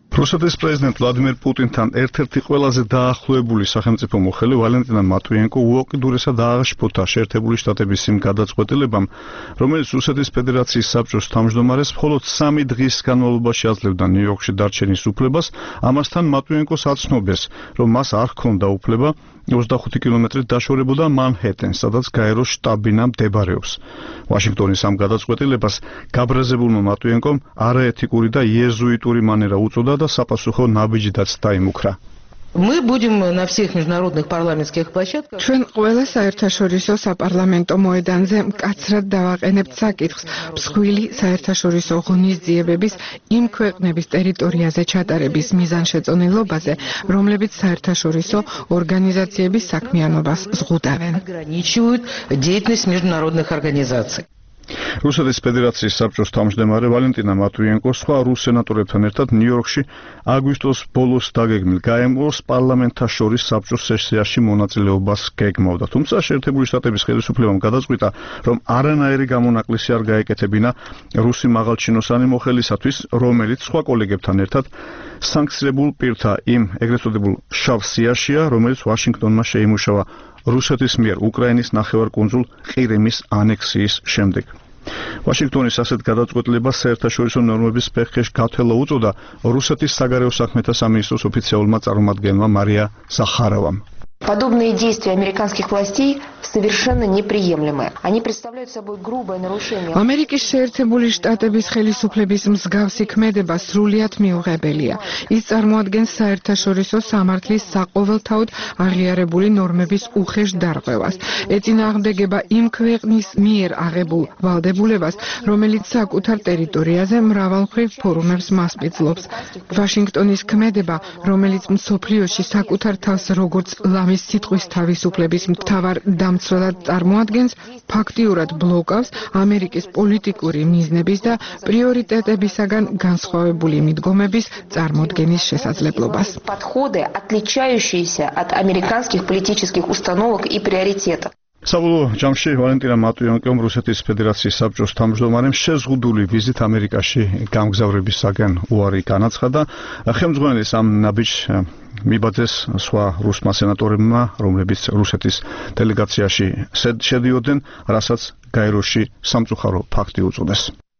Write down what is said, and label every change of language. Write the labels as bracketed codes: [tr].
[ka] რუსეთის პრეზიდენტ ვლადიმერ პუტინთან ერთ-ერთი ყველაზე დაახლოებული სახელმწიფო მოხელე ვალენტინა მატვიენკო უოკიდურესად აღშფოთა შეერთებული შტატების იმ გადაწყვეტილებამ, რომელიც რუსეთის ფედერაციის საბჭოს თავმჯდომარეს მხოლოდ 3 დღის განმავლობაში აძლევდა ნიუ-იორკში დარჩენის უფლებას, ამასთან მატვიენკოს აცნობეს, რომ მას არ ჰქონდა უფლება 25 კილომეტრით დაშორებოდა მანჰეტენს, სადაც გაეროს შტაბინა მდებარეობს. ვაშინგტონის ამ გადაწყვეტილებას გაბრაზებულმა მატვიენკომ არაეთიკური და იეზუიტური მანერა უწოდა და საპასუხო ნაბიჯი დაიმუქრა. [ru] Мы будем на всех международных парламентских площадках. [ka] ჩვენ ყველა საერთაშორისო საპარლამენტო მოედანზე მკაცრად დავაყენებთ საკითხს მსხვილი საერთაშორისო ღონისძიებების იმ ქვეყნების ტერიტორიაზე ჩატარების მიზანშეწონილობაზე, რომლებიც საერთაშორისო ორგანიზაციების საქმიანობას ზღუდავენ. [ru] Ограничивают деятельность международных организаций. [ka] რუსეთის ფედერაციის საბჭოს თავმჯდომარე ვალენტინა მატვიენკო სხვა რუს სენატორებთან ერთად ნიუ-იორკში აგვისტოს ბოლოს დაგეგმილ გაემოს პარლამენტაშორის საბჭოს სესიაში მონაწილეობას გეგმავდა. თუმცა შეერთებული შტატების ხელისუფლებამ გადაწყვიტა, რომ არანაირი გამონაკლისი არ გაეკეთებინა რუსი მაღალჩინოსანი მოხელისათვის, რომელიც სხვა კოლეგებთან ერთად სანქცირებულ პირთა იმ ეგრეთ წოდებულ შავ სიაშია, რომელიც ვაშინგტონმა შეიმუშავა რუსეთის მიერ უკრაინის ნახევარკუნძულ ყირიმის ანექსიის შემდეგ. ვაშინგტონის ასეთ გადაწყვეტილებას საერთაშორისო ნორმების ფეხქეშ გათელა უწოდა რუსეთის საგარეო საქმეთა სამინისტროს ოფიციალურმა წარმომადგენლმა მარია ზახაროვამ. [ru] Подобные действия американских властей совершенно неприемлемы. Они представляют собой грубое нарушение. [ka] Америкის შეერთებული შტატების ხელისუფლების მსგავსი ქმედება სრულიად მიუღებელია. ის წარმოადგენს საერთაშორისო სამართლის საყოველთაოდ აღიარებული ნორმების უხეშ დარღვევას. ეწინააღმდეგება იმ ქვეყნის მიერ აღებულ ვალდებულებას, რომელიც საკუთარ ტერიტორიაზე მრავალმხრივ ფორუმებს მასპინძლობს. ვაშინგტონის ქმედება, რომელიც მსოფლიოში საკუთარ თავს როგორც ამის სიტყვის თავისუფლების მთავარ დამცველად წარმოადგენს, ფაქტიურად ბლოკავს ამერიკის პოლიტიკური მიზნების და პრიორიტეტებისაგან განსხვავებული მიდგომების წარმოადგენის შესაძლებლობას. [ru] Подходы, отличающиеся от американских политических установок и приоритетов. [ka] საბოლოო ჯამში ვალენტინა მატვიენკომ რუსეთის ფედერაციის საბჭოს თავმჯდომარემ შეზღუდული ვიზით ამერიკაში გამგზავრებისაგან უარი განაცხადა. ხელმძღვანელის ამ ნაბიჯს მიბაძეს სხვა რუსმა სენატორებმა, რომლებიც რუსეთის დელეგაციაში შედიოდნენ, რასაც გაეროში სამწუხარო ფაქტი უწოდეს.